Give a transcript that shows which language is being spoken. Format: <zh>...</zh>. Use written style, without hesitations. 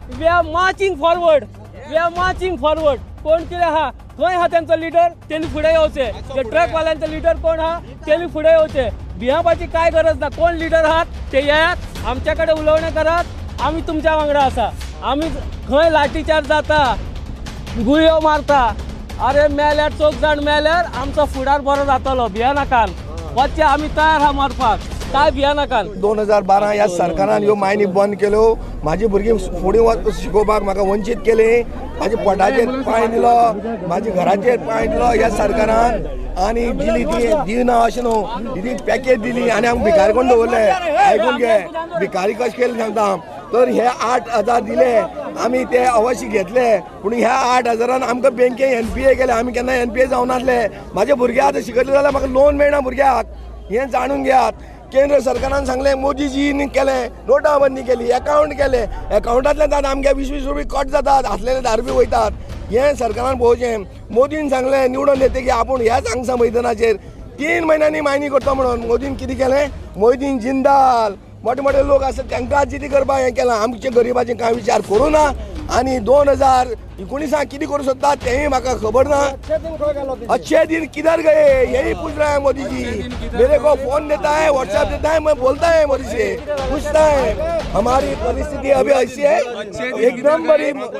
<en>We are marching forward, we are marching forward.</en> <kok>कोण कितें आहा खंय आहा तेंचो लिडर, तेणी फुडें येवचें. ट्रकवाल्यांचो लिडर कोण आहा तेणी फुडें येवचे. भियापाची काय गरज ना. कोण लिडर आहात ते येयात आमच्या कडेन उलोवणे करात. आमी तुमच्या वांगडा आसा. आमी खंय लाठीचार्ज जाता गुळयो मारता आरे मेल्यार चौग जाण मेल्यार आमचो फुडार बरो जातलो. भिया नाकान वचचे, आमी तयार आहा मारपाक, कांय भिया नाकान. 2012 ह्या सरकारान ह्यो मायनी बंद केल्यो, म्हाजी भुरगीं फुडें शिकोवपाक म्हाका वंचीत केलीं, म्हाजे पोटाचेर पांय दिलो, म्हाजे घराचेर पांय दिलो ह्या सरकारान. आनी दिली ती दिना अशें न्हू, दिली पॅकेज दिली आनी आमकां भिकारी कोण दवरले. आयकून घे, भिकारी कशें केलें सांगता. तर हे 8,000 दिले आमी ते अवश्य घेतले, पूण ह्या 8,000 आमकां बँके NPA केले. आमी केन्ना NPA जावं नासले. म्हाजे भुरगे आतां शिकयले जाल्यार म्हाका लोन मेळना भुरग्याक, हें जाणून घेयात. केंद्र सरकारान सांगले मोदीजीन केले नोटाबंदी केली अकाउंट केले, अकाउंटांतल्यान जाता आमगे 20-20 रुपया कट जातात, आसलेले 10 रुपये वयतात. हें सरकारान पळोवचें. मोदीन सांगलें निवडून येते की आपूण ह्याच हांगसा मैदानाचेर 3 महिन्यांनी मायनी करतो म्हणून. मोदीन कितें केलें, मोदीन जिंदाल मोठे मोठे लोक आसात तांकां कितें करपाक हें केलां. आमचे गरिबाचें कांय विचार करूं ना. आनी 2019 कितें करूं सोदतात तेंय म्हाका खबर ना.</kok> <hi>अच्छे दीन किदार गये हेय पुछता हांव मोदीजी. मेरे को फोन देता है, व्हाट्सएप देता है, मैं बोलता है मोदी से, पूछता है हमारी परिस्थिति अभी ऐसी है एकदम बड़ी.</hi>